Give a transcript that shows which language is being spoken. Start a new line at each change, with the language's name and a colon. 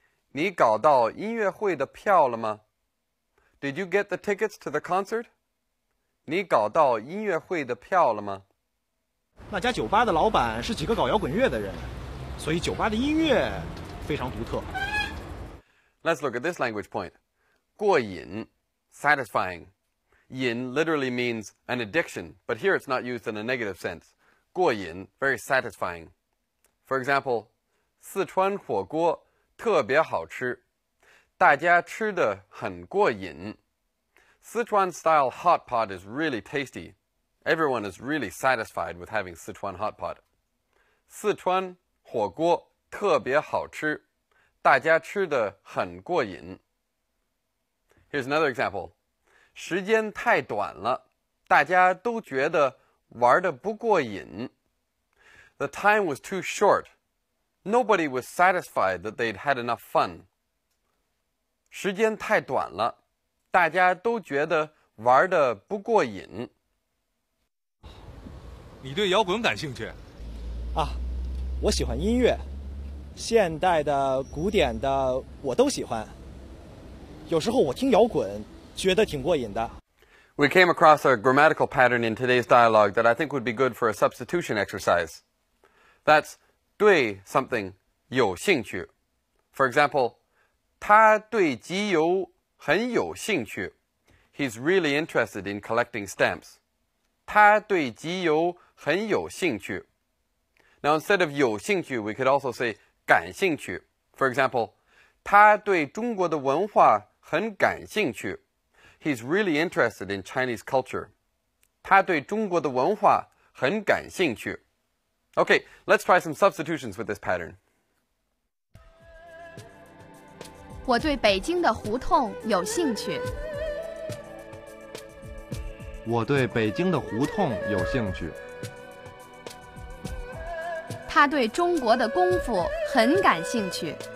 Chinese: 你搞到音乐会的票了吗？
English: Did you get the tickets to the concert?
Chinese: 你搞到音乐会的票了吗？那家酒吧的老板是几个搞摇滚乐的人，所以酒吧的音乐非常独特。
English: Let's look at this language point. 过瘾 satisfying. 瘾 literally means an addiction, but here it's not used in a negative sense. 过瘾 very satisfying. For example,
Chinese: 四川火锅特别好吃，大家吃得很过瘾。
English: Sichuan style hot pot is really tasty. Everyone is really satisfied with having Sichuan hot pot.
Chinese: 四川火锅特别好吃，大家吃得很过瘾。
English: Here's another example.
Chinese: 时间太短了，大家都觉得玩得不过瘾。
English: The time was too short. Nobody was satisfied that they'd had enough fun.
Chinese: 时间太短了，大家都觉得玩得不过瘾。你对摇滚感兴趣？啊，我喜欢音乐，现代的、古典的，我都喜欢。有时候我听摇滚，觉得挺过瘾的。
English: We came across a grammatical pattern in today's dialogue that I think would be good for a substitution exercise. That's 对 something 有兴趣。For example,
Chinese: 他对集邮很有兴趣。
English: He's really interested in collecting stamps.
Chinese: 他对集邮很有兴趣。
English: Now, instead of 有兴趣, we could also say 感兴趣。 For example,
Chinese: 他对中国的文化很感兴趣。
English: He's really interested in Chinese culture.
Chinese: 他对中国的文化很感兴趣。 Okay, let's try some substitutions with this pattern. 我对北京的胡同有兴趣。我对北京的胡同有兴趣。他对中国的功夫很感兴趣。